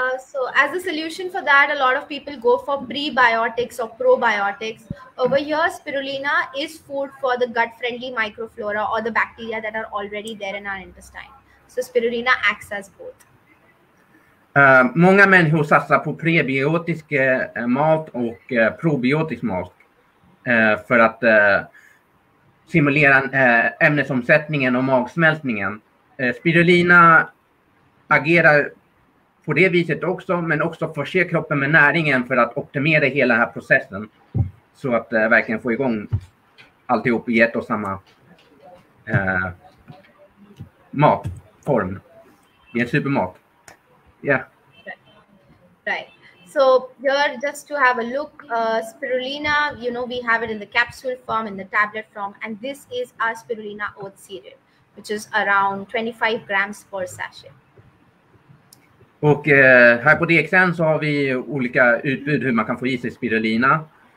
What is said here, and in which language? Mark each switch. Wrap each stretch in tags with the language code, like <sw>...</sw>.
<en>So as a solution for that, a lot of people go for prebiotics or probiotics. Over here, spirulina is food for the gut-friendly microflora or the bacteria that are already there in our intestine. So spirulina acts as both.</en> <sv>Många människor satsar på prebiotisk mat och probiotisk mat för att simulera ämnesomsättningen och magsmältningen. Spirulina agerar på det viset också, men också förse kroppen med näringen för att optimera hela den här processen. Så att verkligen få igång alltihop i ett och samma matform. I en supermat.</sv> <en>Yeah. Right. So here, just to have a look, spirulina, you know, we have it in the capsule form, in the tablet form, and this is our spirulina oat cereal, which is around 25 grams per sachet.</en> <sv>Och här på DXN så har vi olika utbud hur man kan få i sig spirulina.</sv>